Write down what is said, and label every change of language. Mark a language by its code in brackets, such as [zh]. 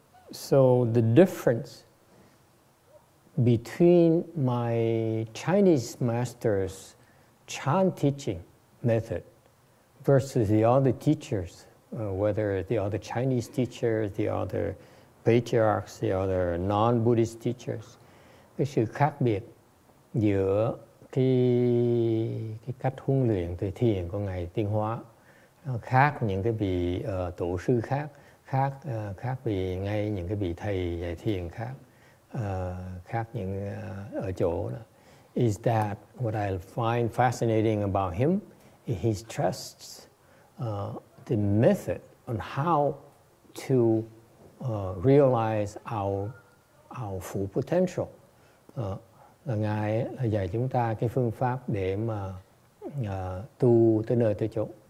[en] So the difference between my Chinese master's chant teaching method versus the other teachers, whether the other Chinese teachers, the other patriarchs, the other non-Buddhist teachers, [vi] cái sự khác biệt giữa cái cách huấn luyện từ thiền của Ngài Tiên Hóa khác những cái vị tổ sư khác. Khác vì ngay những cái vị thầy dạy thiền khác, khác những ở chỗ đó. [en] Is that what I find fascinating about him? He trusts the method on how to realize our full potential. [vi] Là Ngài dạy chúng ta cái phương pháp để mà tu tới nơi tới chỗ.